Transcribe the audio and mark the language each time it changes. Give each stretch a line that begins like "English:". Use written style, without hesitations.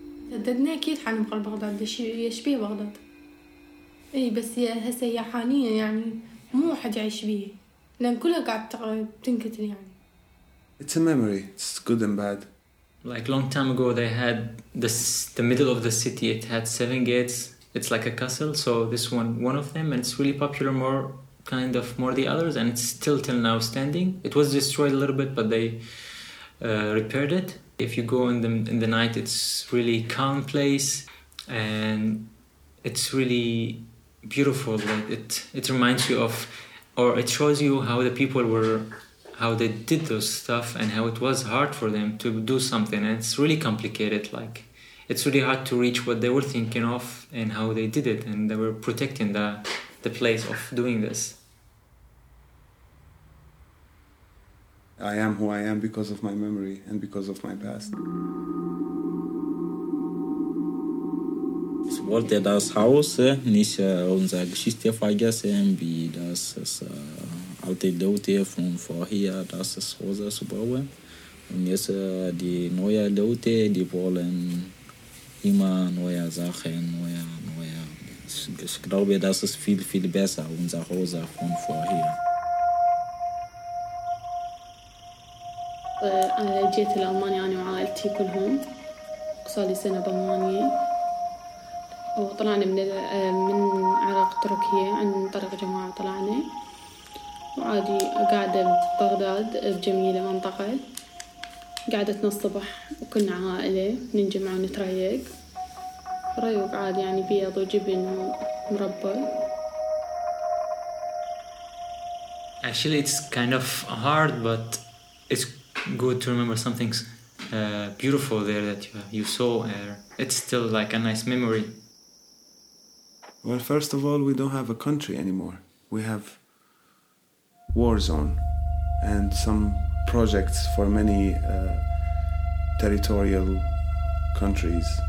Arabic: تددنا أكيد حنبقى بغداد لشيء يشبه بغداد أي بس هسه هي حاليا يعني مو حد يعيش بيه لأن كلها قاعد تنقتل يعني.
English: It's a memory. It's good and bad. Like long time ago, they had the middle of the city. It had 7 gates. It's like a castle. So this one of them, and it's really popular. More the others, and it's still till now standing. It was destroyed a little bit, but they repaired it. If you go in the night, it's really calm place, and it's really beautiful. Like it reminds you of, or it shows you how the people were, how they did those stuff, and how it was hard for them to do something. And it's really complicated. Like it's really hard to reach what they were thinking of and how they did it, and they were protecting the place of doing this. I am who I am because of my memory and because of my past.
German: Ich wollte das Haus nicht unsere Geschichte vergessen, wie das alte Leute von vorher das Haus zu bauen. Und jetzt die neuen Leute, die wollen immer neue Sachen, neue. Ich glaube, das ist viel, viel besser, unser Haus von vorher.
Arabic: جيت لألمانيا أنا وعائلتي كلهم، صار لي سنة بألمانيا، وطلعنا من عراق تركيا عن طريق جماعة طلعنا، وعادي قاعدة ببغداد بجميلة منطقة، قعدتنا الصبح وكنا عائلة نجمع ونتريق، ريوق عاد يعني بيض وجبن ومربى.
English: Actually it's kind of hard, but it's good to remember something beautiful there that you saw. It's still like a nice memory. Well, first of all, we don't have a country anymore. We have war zone and some projects for many territorial countries.